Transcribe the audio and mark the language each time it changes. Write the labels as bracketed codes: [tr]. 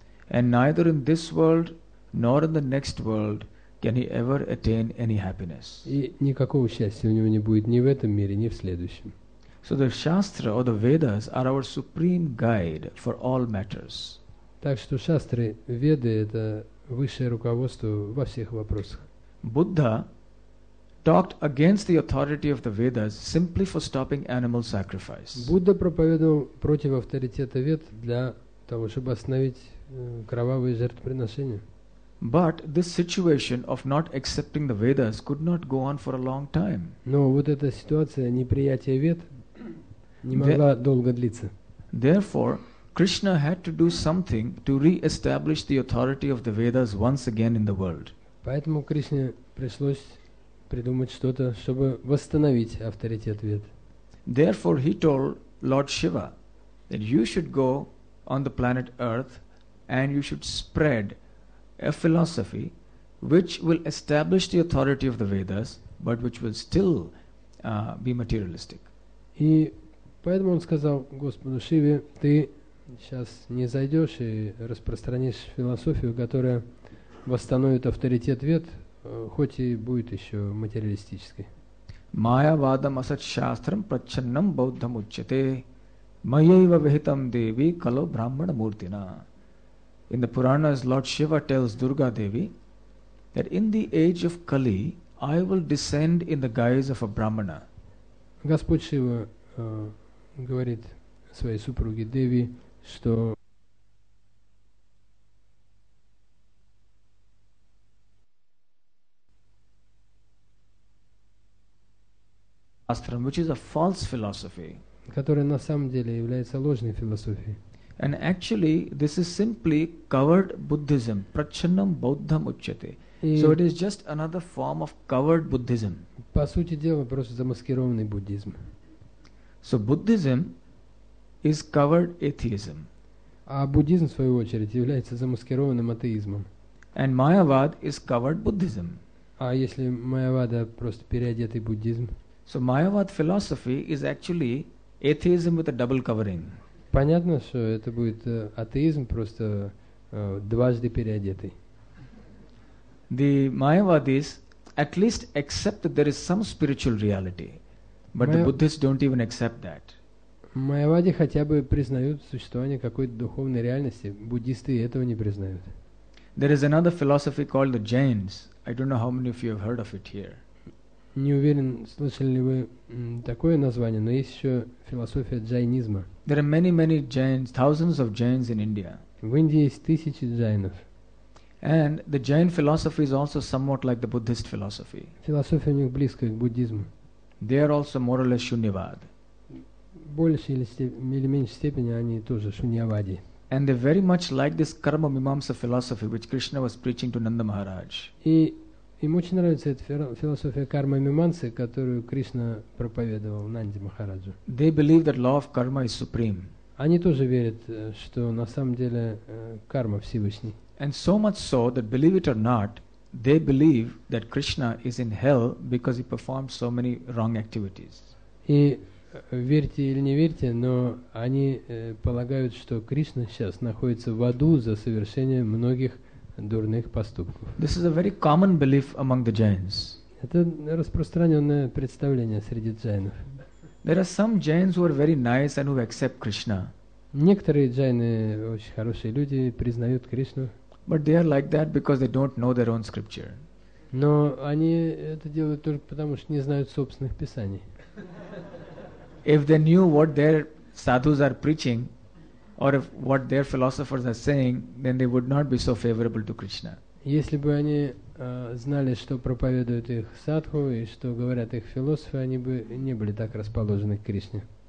[en] And neither in this world nor in the next world can he ever attain any happiness. [ru] И никакого счастья у него не будет ни в этом мире, ни в следующем. [en] So the Shastra or the Vedas are our supreme guide for all matters. [ru] Так что шастры, веды — это высшее руководство во всех вопросах. [en] Buddha talked against the authority of the Vedas simply for stopping animal sacrifice. [ru] Будда проповедовал против авторитета вед для того, чтобы остановить кровавые жертвоприношения. [en] But this situation of not accepting the Vedas could not go on for a long time. [ru] Но вот эта ситуация неприятия вед не могла долго длиться. [en] Therefore, Krishna had to do something to re-establish the authority of the Vedas once again in the world. [ru] Поэтому Кришне пришлось придумать что-то, чтобы восстановить авторитет вед. [en] Therefore, he told Lord Shiva that you should go on the planet Earth and you should spread a philosophy which will establish the authority of the Vedas, but which will still be materialistic. [ru] И поэтому он сказал Господу Шиве, ты сейчас не зайдешь и распространишь философию, которая восстановит авторитет вед, хоть и будет еще материалистической. [sa] Майя вадам асат шастрам прачаннам бауддхам уччате майяйва вихитам деви кало брахмана муртина. [en] In the Puranas, Lord Shiva tells Durga Devi that in the age of Kali, I will descend in the guise of a Brahmana. [ru] Господь Шива говорит своей супруге Деви, что [en] Astram, which is a false philosophy, [ru] которая на самом деле является ложной философией. [en] And actually, this is simply covered Buddhism, [sa] prachannam bauddham ucchate. [en] So it is just another form of covered Buddhism. [ru] По сути дела, просто замаскированный буддизм. [en] So Buddhism is covered atheism. [ru] А буддизм, в свою очередь, является замаскированным атеизмом. [en] And Mayavad is covered Buddhism. [ru] А если Mayavada просто переодетый буддизм? [en] So Mayavad philosophy is actually atheism with a double covering. [ru] Понятно, что это будет атеизм, просто дважды переодетый. [en] The Mayavadis at least accept that there is some spiritual reality, but the Buddhists don't even accept that. [ru] Майявади хотя бы признают существование какой-то духовной реальности, буддисты этого не признают. [en] There is another philosophy called the Jains. I don't know how many of you have heard of it here. [ru] Не уверен, слышали ли вы такое название, но есть еще философия джайнизма. [en] There are many, many Jains, thousands of Jains in India. [ru] В Индии есть тысячи джайнов. [en] And the Jain philosophy is also somewhat like the Buddhist philosophy. [ru] Философия у них близкая к буддизму. [en] They are also more or less Shunyavad. [ru] Больше или меньше степени они тоже Шуньявади. [en] And they very much like this Karma Mimamsa philosophy, which Krishna was preaching to Nanda Maharaj. [ru] Им очень нравится эта философия кармы мимансы, которую Кришна проповедовал Нанде Махараджу. [en] They believe that law of karma is supreme. [ru] Они тоже верят, что на самом деле карма Всевышний. [en] And so much so that, believe it or not, they believe that Krishna is in hell because he performed so many wrong activities. [ru] И верьте или не верьте, но они полагают, что Кришна сейчас находится в аду за совершение многих дурных поступков. [en] This is a very common belief among the Jains. [ru] Это распространенное представление среди джайнов. [en] There are some Jains who are very nice and who accept Krishna. [ru] Некоторые джайны очень хорошие люди, признают Кришну. [en] But they are like that because they don't know their own scripture. [ru] Но они это делают только потому, что не знают собственных писаний. [en] If they knew what their sadhus are preaching, or if what their philosophers are saying, then they would not be so favorable to Krishna. [ru] Если бы они знали, что проповедуют их садху и что говорят их философы, они бы не были так расположены к Кришне.